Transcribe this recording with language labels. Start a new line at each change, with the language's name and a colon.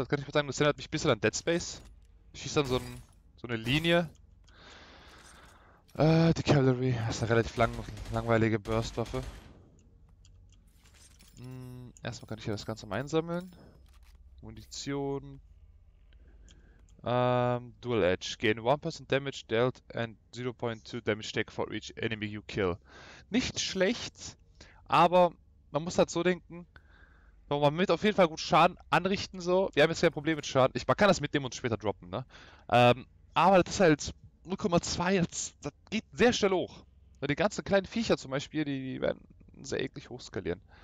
German: Das kann ich mal sagen, das erinnert mich ein bisschen an Dead Space. Ich schieße dann so eine Linie. Die Cavalry. Das ist eine relativ langweilige Burst-Waffe. Erstmal kann ich hier das Ganze mal einsammeln. Munition. Dual Edge.
English: Gain 1% Damage dealt and 0.2 Damage taken for each enemy you kill.
German: Nicht schlecht. Aber man muss halt so denken, so man wird auf jeden Fall gut Schaden anrichten so. Wir haben jetzt kein Problem mit Schaden. Man kann das mitnehmen und später droppen, ne? Aber das ist halt 0,2, das geht sehr schnell hoch. Die ganzen kleinen Viecher zum Beispiel, die werden sehr eklig hochskalieren.